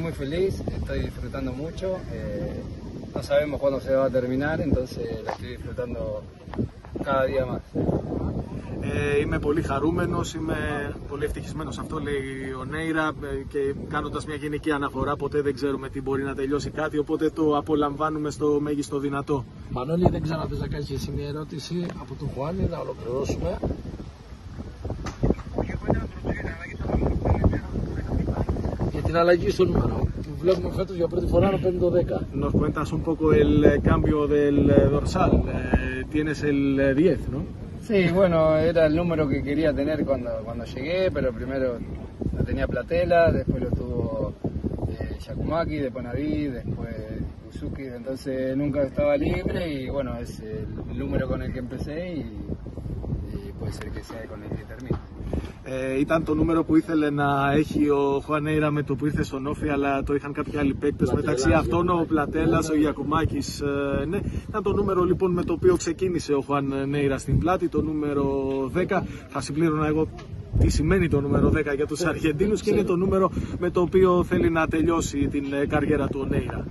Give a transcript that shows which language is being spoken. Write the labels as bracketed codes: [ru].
[es] muy feliz, estoy disfrutando mucho. No sabemos cuándo se va a terminar, entonces lo estoy disfrutando cada día más. [el] Είμαι πολύ χαρούμενος, είμαι πολύ ευτυχισμένος, αυτό λέει ο Νέιρα, και κάνοντας μια γενική αναφορά, ποτέ δεν ξέρουμε τι μπορεί να τελειώσει κάτι, οπότε το απολαμβάνουμε στο μέγιστο δυνατό. Μανώλη, δεν ξέρω αν θες να κάνεις εσύ μια ερώτηση από τον Χουάνι, να ολοκληρώσουμε. Για την αλλαγή στο νούμερο. Βλέπουμε φέτος για πρώτη φορά να παίρνει το 10. [es] Nos cuentas un poco el cambio del dorsal. Tienes el 10, ¿no? Sí, bueno, era el número que quería tener cuando llegué, pero primero lo tenía Platela, después lo tuvo Yakumaki, después Naví, después Uzuki, entonces nunca estaba libre y bueno, es el número con el que empecé y puede ser que sea con el que termine. [el] Ήταν το νούμερο που ήθελε να έχει ο Χουάν Νέιρα με το που ήρθε στον Όφη, αλλά το είχαν κάποιοι άλλοι παίκτες. Μεταξύ αυτών ο Πλατέλας, ο Γιακουμάκης. Ναι. Ήταν το νούμερο λοιπόν με το οποίο ξεκίνησε ο Χουάν Νέιρα στην πλάτη, το νούμερο 10. Θα συμπλήρωνα εγώ τι σημαίνει το νούμερο 10 για τους Αργεντίνους και είναι το νούμερο με το οποίο θέλει να τελειώσει την καριέρα του ο Νέιρα.